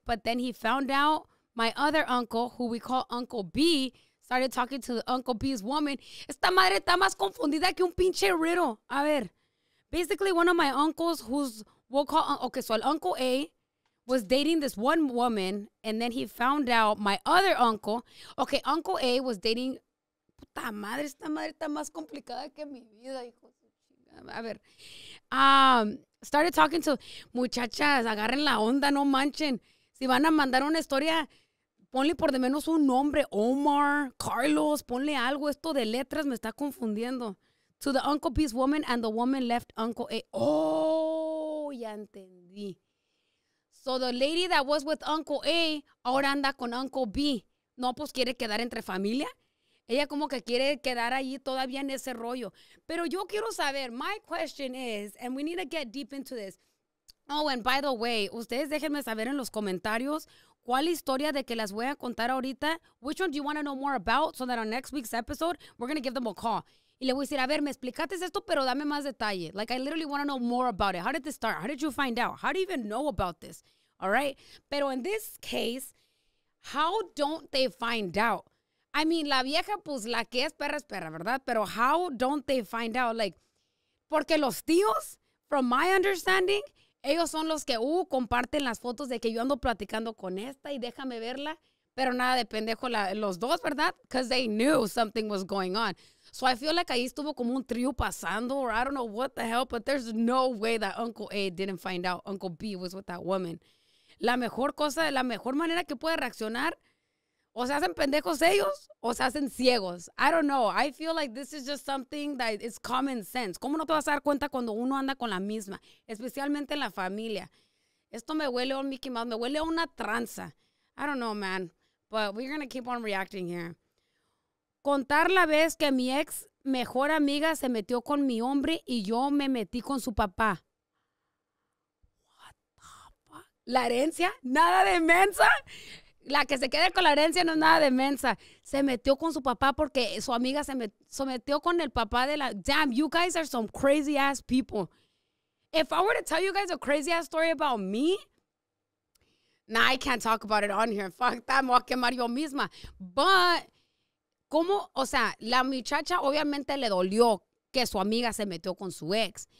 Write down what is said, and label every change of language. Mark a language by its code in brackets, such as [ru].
[en] But then he found out my other uncle, who we call Uncle B, started talking to Uncle B's woman. [es] Esta madre está más confundida que un pinche riddle. A ver, [en] basically one of my uncles who's, we'll call, okay, so Uncle A was dating this one woman, and then he found out my other uncle, okay, Uncle A was dating, [es] puta madre, esta madre está más complicada que mi vida, hijo. A ver, [en] started talking to, [es] muchachas, agarren la onda, no manchen. Si van a mandar una historia, ponle por de menos un nombre, Omar, Carlos, ponle algo, esto de letras me está confundiendo. [en] To the Uncle B's woman and the woman left Uncle A. Oh, [es] ya entendí. [en] So the lady that was with Uncle A, [es] ahora anda con [en] Uncle B. [es] No, pues quiere quedar entre familia. Ella como que quiere quedar allí todavía en ese rollo. Pero yo quiero saber, [en] my question is, and we need to get deep into this. Oh, and by the way, [es] ustedes déjenme saber en los comentarios cuál historia de que las voy a contar ahorita. [en] Which one do you want to know more about so that on next week's episode, we're going to give them a call. [es] Y le voy a decir, a ver, me explicaste esto, pero dame más detalle. [en] Like, I literally want to know more about it. How did this start? How did you find out? How do you even know about this? All right? Pero in this case, how don't they find out? I mean, [es] la vieja, pues, la que es perra, ¿verdad? [en] Pero how don't they find out? Like, [es] porque los tíos, [en] from my understanding, [es] Ellos son los que comparten las fotos de que yo ando platicando con esta y déjame verla. Pero nada de pendejo la, los dos, ¿verdad? [en] Because they knew something was going on. So I feel like [es] ahí estuvo como un trío pasando, [en] or I don't know what the hell, but there's no way that Uncle A didn't find out Uncle B was with that woman. [es] La mejor cosa, la mejor manera que puede reaccionar, o se hacen pendejos ellos, o se hacen ciegos. [en] I don't know. I feel like this is just something that is common sense. [es] ¿Cómo no te vas a dar cuenta cuando uno anda con la misma? Especialmente en la familia. Esto me huele a un Mickey Mouse, me huele a una tranza. [en] I don't know, man. But we're going to keep on reacting here. [es] Contar la vez que mi ex mejor amiga se metió con mi hombre y yo me metí con su papá. [en] What the fuck? [es] ¿La herencia? ¿Nada de mensa? La que se quede con la herencia no es nada de mensa. Se metió con su papá porque su amiga se sometió con el papá de la... [en] Damn, you guys are some crazy ass people. If I were to tell you guys a crazy ass story about me... Nah, I can't talk about it on here. Fuck that, [es] me voy a quemar yo misma. But, ¿cómo? O sea, la muchacha obviamente le dolió que su amiga se metió con su ex.